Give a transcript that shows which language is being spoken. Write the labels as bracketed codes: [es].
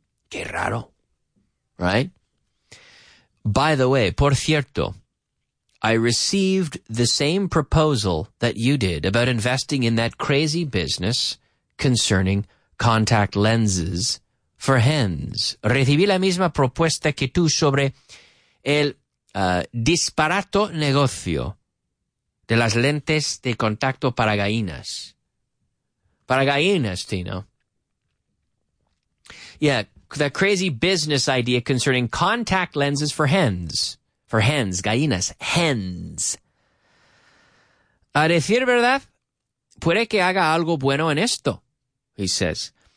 [es] Qué raro, [en] right? By the way, [es] por cierto, [en] I received the same proposal that you did about investing in that crazy business concerning contact lenses for hens. [es] Recibí la misma propuesta que tú sobre el disparato negocio de las lentes de contacto para gallinas. Para gallinas, Tino. [en] Yeah. That crazy business idea concerning contact lenses for hens. For hens, gallinas, hens. [es] A decir verdad, puede que haga algo bueno en esto, [en] he says.